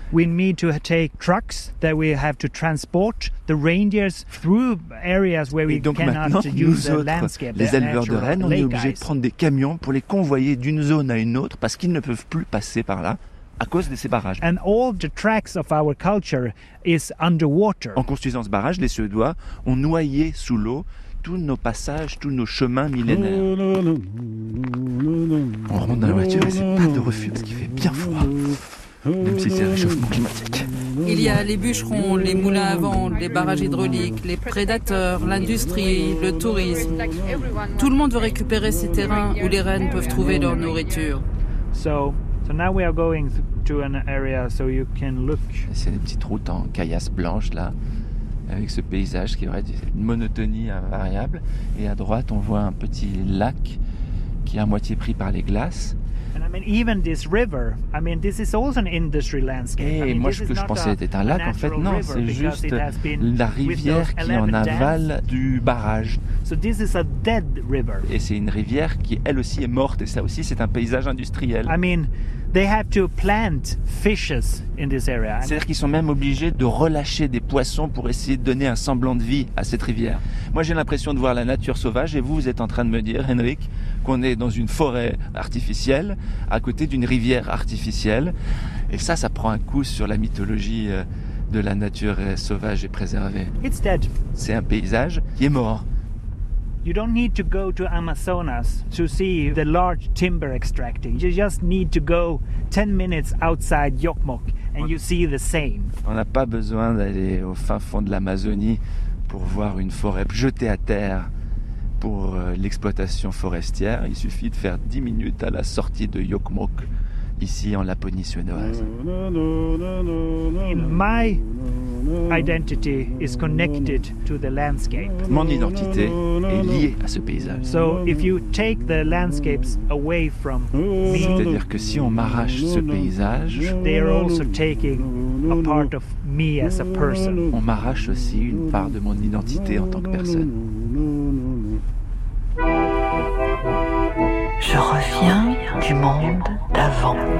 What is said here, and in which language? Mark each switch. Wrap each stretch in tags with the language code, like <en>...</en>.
<en>We need to take trucks that we have to transport the reindeers through areas where we cannot use the landscape.</en> <fr>Et donc maintenant, nous autres, les éleveurs de rennes, on est obligés de prendre des camions pour les convoyer d'une zone à une autre parce qu'ils ne peuvent plus passer par là à cause de ces barrages.</fr> <en>And all the tracks of our culture is underwater.</en> <fr>En construisant ce barrage, les Suédois ont noyé sous l'eau tous nos passages, tous nos chemins millénaires. On rentre dans la voiture et c'est pas de refus parce qu'il fait bien froid, même si c'est un réchauffement climatique. Il y a les bûcherons, les moulins à vent, les barrages hydrauliques, les prédateurs, l'industrie, le tourisme. Tout le monde veut récupérer ces terrains où les rennes peuvent trouver leur nourriture.</fr> <en>So now we are going to an area so you can look.</en> <fr>C'est une petite route en caillasse blanche là, avec ce paysage qui aurait une monotonie invariable. Et à droite, on voit un petit lac qui est à moitié pris par les glaces.</fr> <en>And I mean, even this river, I mean, this is also an industry landscape.</en> <fr>Et</fr> <en>I mean,</en> <fr>moi, ce que je pensais était un lac, en fait, non, c'est juste la rivière qui en avale du barrage.</fr> <en>So this is a dead river.</en> <fr>Et c'est une rivière qui, elle aussi, est morte. Et ça aussi, c'est un paysage industriel.</fr> <en>I mean, they have to plant fishes in this area.</en> <fr>C'est-à-dire qu'ils sont même obligés de relâcher des poissons pour essayer de donner un semblant de vie à cette rivière. Moi, j'ai l'impression de voir la nature sauvage, et vous êtes en train de me dire, Henrik, qu'on est dans une forêt artificielle à côté d'une rivière artificielle. Et ça prend un coup sur la mythologie de la nature sauvage et préservée.</fr> <en>It's dead.</en> <fr>C'est un paysage qui est mort.</fr> <en>You don't need to go to Amazonas to see the large timber extracting. You just need to go 10 minutes outside Jokkmokk and you see the same.</en> <fr>On n'a pas besoin d'aller au fin fond de l'Amazonie pour voir une forêt jetée à terre pour l'exploitation forestière. Il suffit de faire 10 minutes à la sortie de Jokkmokk ici en Laponie suédoise.</fr> <en>My identity is connected to the landscape.</en> <fr>Mon identité est liée à ce paysage.</fr> <en>So if you take the landscapes away from me,</en> <fr>c'est-à-dire que si on m'arrache ce paysage,</fr> <en>they are also taking a part of me as a person.</en> <fr>On m'arrache aussi une part de mon identité en tant que personne. Je reviens du monde d'avant.</fr>